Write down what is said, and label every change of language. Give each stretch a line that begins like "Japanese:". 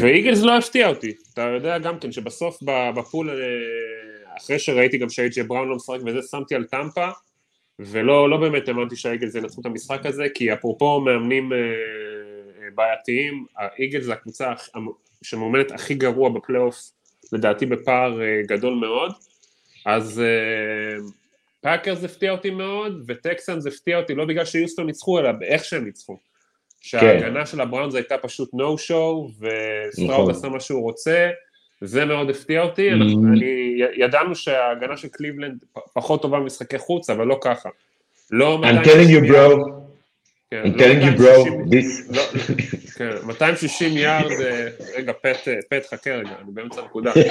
Hebrew: ואיגלס לא הפתיע אותי, אתה יודע גם כן שבסוף בפול, אחרי שראיתי גם שאי-ג'י בראון לא משחק וזה, שמתי על טמפה, ולא לא באמת אמנתי שהאיגלס ינצחו את המשחק הזה, כי אפרופו מאמנים בעייתיים, האיגלס זה הקבוצה שמאמנת הכי גרוע בפלי אוף, לדעתי בפער גדול מאוד, אז פאקרס הפתיע אותי מאוד, וטקסנס הפתיע אותי, לא בגלל שיוסטון ניצחו, אלא איך שהם ניצחו. שההגנה כן. של הבראונס הייתה פשוט נו שואו, וסטראוד עשה מה שהוא רוצה, זה מאוד הפתיע אותי, ידענו שההגנה של קליבלנד פחות טובה במשחקי חוץ, אבל לא ככה. לא
English: I'm telling you bro, כן, I'm telling you bro, this...
Hebrew: כן, 260 יארד, רגע, פט, חכה רגע, אני באמצע נקודה.